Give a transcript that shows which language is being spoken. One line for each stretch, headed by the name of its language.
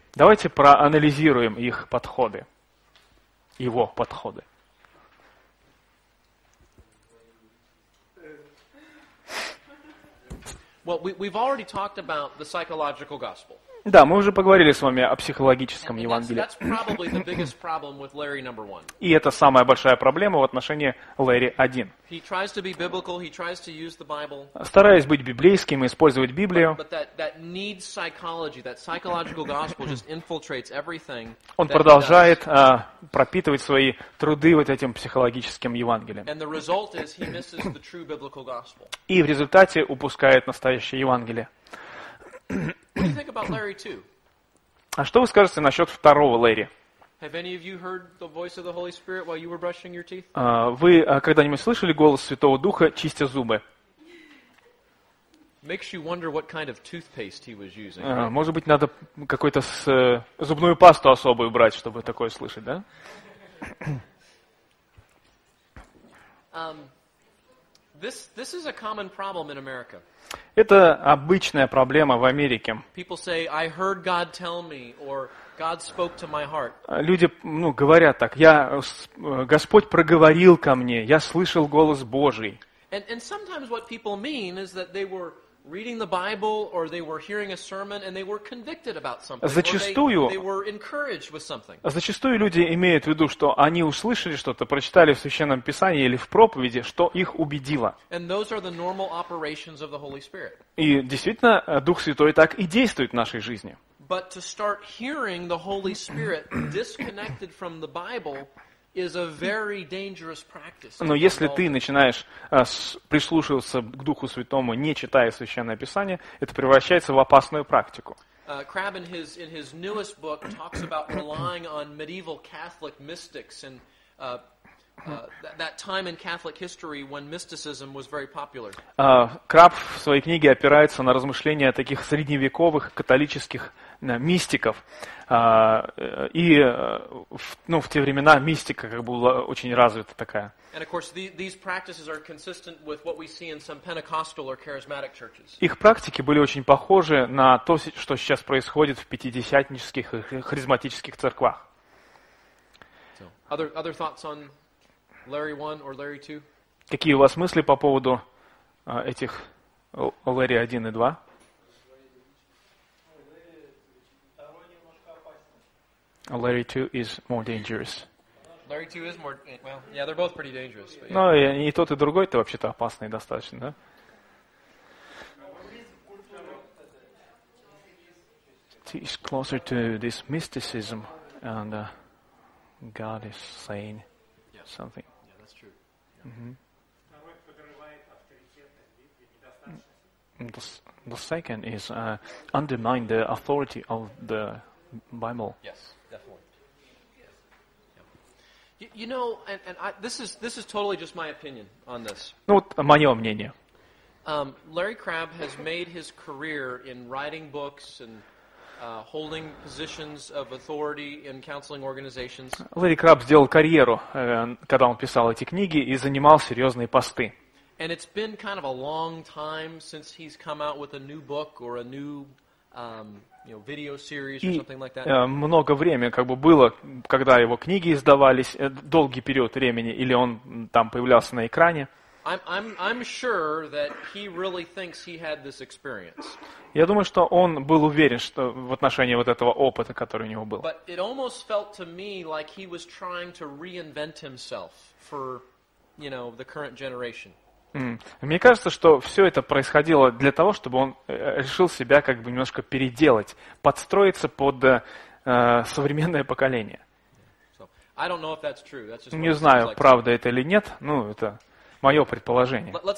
Russian: Давайте проанализируем их подходы, его подходы.
English: We've already talked about the psychological gospel.
Russian: Да, мы уже поговорили с вами о психологическом Евангелии.
English: That's probably the biggest problem with Larry number one.
Russian: И это самая большая проблема в отношении Лэри 1.
English: He tries to be biblical, he tries to use the Bible.
Russian: Стараясь быть библейским и использовать Библию.
English: But that needs psychology, that psychological gospel just infiltrates everything.
Russian: Он продолжает пропитывать свои труды вот этим психологическим Евангелием.
English: And the result is he misses the true biblical gospel.
Russian: И в результате упускает настоящее Евангелие.
English: What do you think about Larry 2?
Russian: А что вы скажете насчет второго Лэри?
English: Have any of you heard the voice of the Holy Spirit while you were brushing your teeth?
Russian: Вы когда-нибудь слышали голос Святого Духа, чистя зубы?
English: Makes you wonder what kind of toothpaste he was using.
Russian: Может быть, надо какую-то зубную пасту особую брать, чтобы такое слышать, да?
English: This is a common problem in America.
Russian: Это обычная проблема в Америке.
English: People say, I heard God tell me, or God spoke to my heart.
Russian: Люди, ну, говорят так: я, Господь проговорил ко мне, я слышал голос Божий.
English: And sometimes what people mean is that they were reading the Bible, or they were hearing a sermon, and they were convicted about something.
Russian: Зачастую,
English: or they were encouraged with something.
Russian: Зачастую люди имеют в виду, что они услышали что-то, прочитали в Священном Писании или в проповеди, что их убедило.
English: And those are the normal operations of the Holy Spirit.
Russian: И действительно, Дух Святой так и действует в нашей жизни.
English: But to start hearing the Holy Spirit disconnected from the Bible is a very dangerous practice.
Russian: Но если ты начинаешь прислушиваться к Духу Святому, не читая Священное Писание, это превращается в опасную практику.
English: Crabb in his newest book talks about relying on medieval Catholic mystics and that time in Catholic history when mysticism was very popular.
Russian: Crabb в своей книге опирается на размышления таких средневековых католических мистиков. В те времена мистика как бы была очень развита такая.
English: And of course, these practices are consistent with what we see in some Pentecostal or charismatic churches.
Russian: Их практики были очень похожи на то, что сейчас происходит в пятидесятнических и харизматических церквах.
English: So, other thoughts on Larry 1 or Larry 2?
Russian: Какие у вас мысли по поводу этих Larry 1 и 2?
English: Larry 2 is more dangerous. Larry 2 is more, well, yeah, they're both pretty dangerous. Yeah.
Russian: Но и тот, и другой-то вообще-то опасный достаточно, да?
English: It's closer to this mysticism, and God is saying something. Yeah, that's true. Mm-hmm. The second is undermine the authority of the Bible. Yes. You know, and I, this is totally just my opinion on this.
Russian: Ну вот мое мнение.
English: Larry Crabb has made his career in writing books and holding positions of authority in counseling organizations.
Russian: Лэри Краб сделал карьеру, когда он писал эти книги и занимал серьезные посты.
English: And it's been kind of a long time since he's come out with a new book or a new video series or something like that.
Russian: Много времени как бы было, когда его книги издавались, долгий период времени, или он там появлялся на экране.
English: I'm sure that he really thinks he had this experience.
Russian: Я думаю, что он был уверен, что в отношении вот этого опыта, который у него был.
English: But it almost felt to me like he was trying to reinvent himself for, you know, the current generation.
Russian: Мне кажется, что все это происходило для того, чтобы он решил себя как бы немножко переделать, подстроиться под современное поколение. Не знаю, правда это или нет, ну это мое предположение.